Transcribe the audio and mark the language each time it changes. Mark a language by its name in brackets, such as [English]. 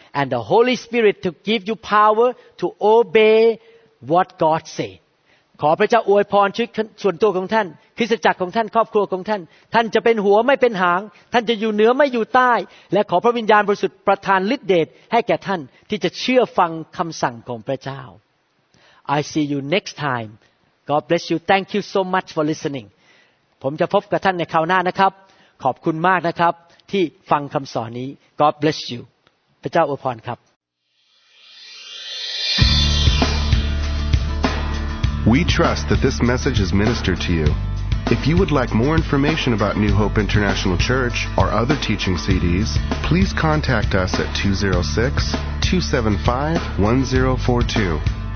[English] And the Holy Spirit to give you power to obey what God says. [Thai] ขอพระเจ้าอวยพรชีวิตส่วนตัวของท่านคริสตจักรของท่านครอบครัวของท่านท่านจะเป็นหัวไม่เป็นหางท่านจะอยู่เหนือไม่อยู่ใต้และขอพระวิญญาณบริสุทธิ์ประทานฤทธิ์เดชให้แก่ท่านที่จะเชื่อฟังคำสั่งของพระเจ้า [English] I see you next time God bless you thank you so much for listening [Thai] ผมจะพบกับท่านในคราวหน้านะครับขอบคุณมากนะครับที่ฟังคำสอนนี้ [English] God bless you [Thai] พระเจ้าอวยพรครับ [English] We trust that this message is ministered to you. If you would like more information about New Hope International Church or other teaching CDs, please contact us at 206-275-1042.